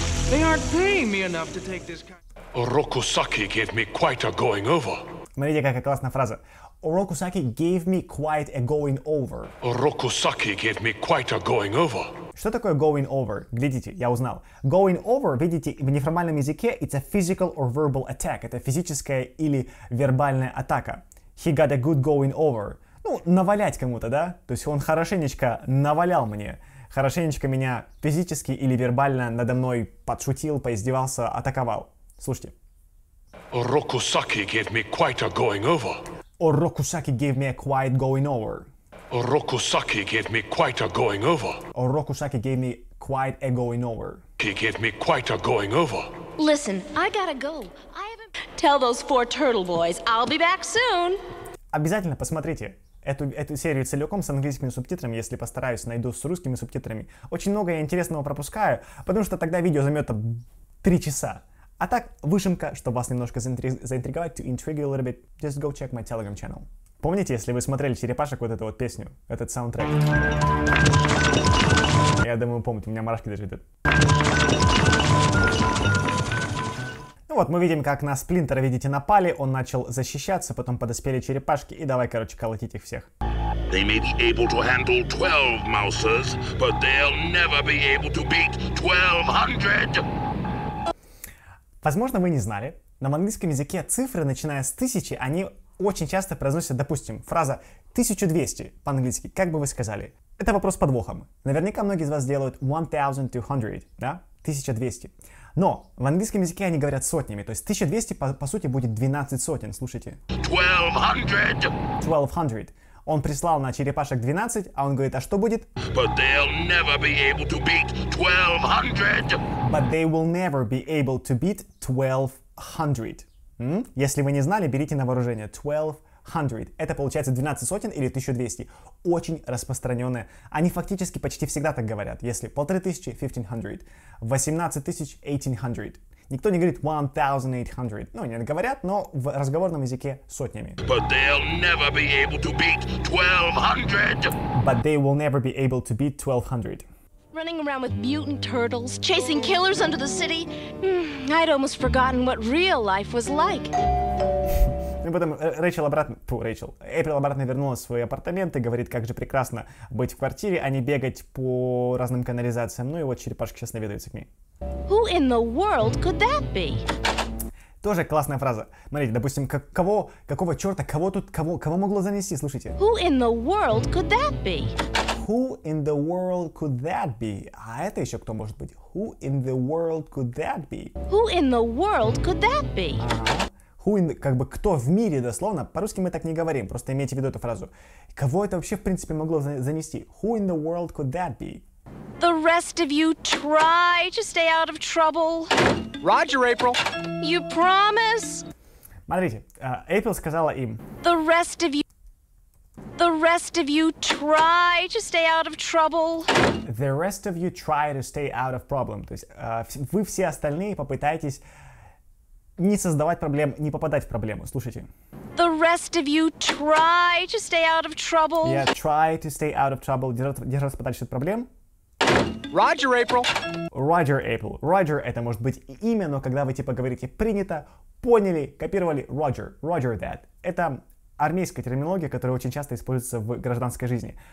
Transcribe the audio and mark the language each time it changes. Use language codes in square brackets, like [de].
[en] They aren't paying me enough to take this kind. Orokusaki gave me quite a going over. [ru] Смотрите, какая классная фраза. [en] Orokusaki gave me quite a going over. Orokusaki gave me quite a going over. [ru] Что такое [en] going over? [ru] Глядите, я узнал. [en] Going over, [ru] видите, в неформальном языке [en] it's a physical or verbal attack. [ru] Это физическая или вербальная атака. [en] He got a good going over. [ru] Ну, навалять кому-то, да? То есть он хорошенечко навалял мне. Хорошенечко меня физически или вербально надо мной подшутил, поиздевался, атаковал. Слушайте. [en] Orokusaki gave me quite a going over. Orokusaki gave me a quite going over. Orokusaki gave me quite a going over. Orokusaki gave me quite a going over. He gave me quite a going over. Listen, I gotta go. I haven't... Tell those four turtle boys, I'll be back soon. [ru] Обязательно посмотрите. Эту серию целиком с английскими субтитрами, если постараюсь, найду с русскими субтитрами. Очень много я интересного пропускаю, потому что тогда видео займет 3 часа. А так, вышимка, чтобы вас немножко заинтриговать, [en] to intrigue you a little bit, just go check my Telegram channel. [ru] Помните, если вы смотрели «Черепашек» вот эту вот песню, этот саундтрек? Я думаю, помните, у меня мурашки даже идут. Ну вот, мы видим, как на сплинтера, видите, напали, он начал защищаться, потом подоспели черепашки, и давай, короче, колотить их всех. [en] They may be able to handle 12 mousers, but they'll never be able to beat 1200! [ru] Возможно, вы не знали, но в английском языке цифры, начиная с 1000, они очень часто произносят, допустим, фраза 1200 по-английски, как бы вы сказали? Это вопрос подвохом. Наверняка многие из вас делают 1200, да? 1200. Но в английском языке они говорят сотнями, то есть 1200 по сути будет 12 сотен, слушайте. 1200. Он прислал на черепашек 12, а он говорит, а что будет? [en] But they'll never be able to beat 1200. But they will never be able to beat 1200. [ru] Если вы не знали, берите на вооружение 1200. Это получается 12 сотен или 1200. Очень распространенные. Они фактически почти всегда так говорят. Если 1500, 1500. 18000, 1800. Никто не говорит 1800. Ну, нет, говорят, но в разговорном языке сотнями. [en] But they'll never be able to beat 1200. But they will never be able to beat 1200. Running around with mutant turtles, chasing killers under the city. I'd almost forgotten what real life was like. [ru] И потом Эйприл обратно вернулась в свой апартамент и говорит, как же прекрасно быть в квартире, а не бегать по разным канализациям. Ну и вот черепашки сейчас наведаются к ней. [en] Who in the world could that be? [ru] Тоже классная фраза. Смотрите, допустим, какого черта, кого могло занести, слушайте. [en] Who in the world could that be? Who in the world could that be? [ru] А это еще кто может быть? [en] Who in the world could that be? Who in the world could that be? Who in, [ru] как бы, кто в мире, дословно, по-русски мы так не говорим, просто имейте в виду эту фразу. Кого это вообще, в принципе, могло занести? [en] Who in the world could that be? The rest of you try to stay out of trouble. Roger, April. You promise? [ru] Смотрите, April сказала им. [en] The rest of you try to stay out of trouble. The rest of you try to stay out of problem. [ru] То есть вы все остальные попытаетесь не создавать проблем, не попадать в проблему. Слушайте. [en] The rest of you try to stay out of trouble. Yeah, try to stay out of trouble. [ru] Держаться подальше от проблем. [en] Roger, April. Roger, April. Roger [ru] — это может быть имя, но когда вы типа говорите «принято», «поняли», «копировали», [en] Roger, Roger that. [ru] Это армейская терминология, которая очень часто используется в гражданской жизни.